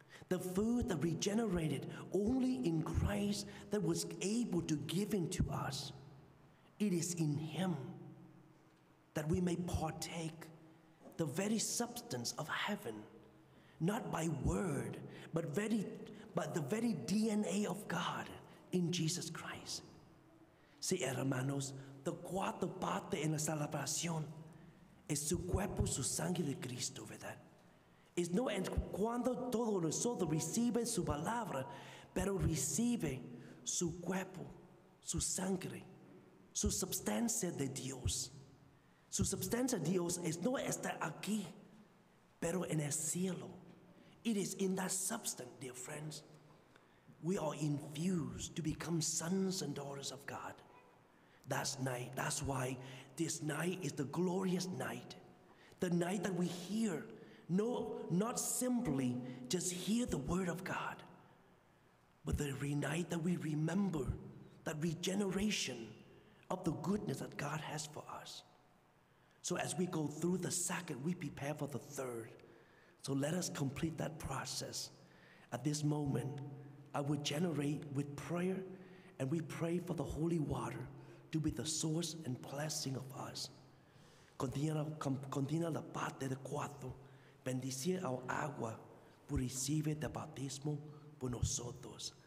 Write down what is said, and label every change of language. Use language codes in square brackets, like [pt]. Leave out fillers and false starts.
[en] The food that regenerated only in Christ that was able to give him to us. It is in him that we may partake the very substance of heaven. Not by word, but the very DNA of God in Jesus Christ. [es] Sí, hermanos, la cuarta parte en la celebración es su cuerpo, su sangre de Cristo, ¿verdad? Es no en cuando todos nosotros reciben su palabra, pero recibe su cuerpo, su sangre, su substancia de Dios. Su substancia de Dios es no estar aquí, pero en el cielo. [en] It is in that substance, dear friends, we are infused to become sons and daughters of God. That's night. That's why this night is the glorious night. The night that we hear, not simply just hear the word of God, but the night that we remember that regeneration of the goodness that God has for us. So as we go through the second, we prepare for the third. So let us complete that process. At this moment, I will generate with prayer, and we pray for the holy water to be the source and blessing of us. [es] Continúa la parte de cuatro. Bendice al agua por recibir el bautismo por nosotros.